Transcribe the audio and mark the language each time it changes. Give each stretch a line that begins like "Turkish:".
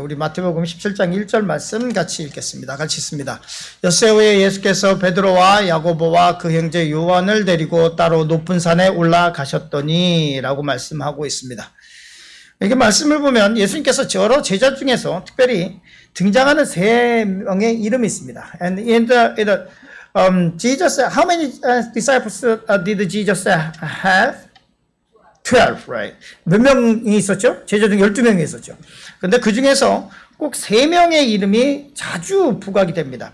Korean: 우리 마태복음 17장 1절 말씀 같이 읽겠습니다. 같이 읽습니다. 엿새 후에 예수께서 베드로와 야고보와 그 형제 요한을 데리고 따로 높은 산에 올라가셨더니라고 말씀하고 있습니다. 이게 말씀을 보면 예수님께서 여러 제자 중에서 특별히 등장하는 세 명의 이름이 있습니다.
English: And in the Jesus, how many disciples did Jesus have? 12, right.
Korean: 몇 명이 있었죠? 제자 중 12명이 있었죠. 근데 그 중에서 꼭 3명의 이름이 자주 부각이 됩니다.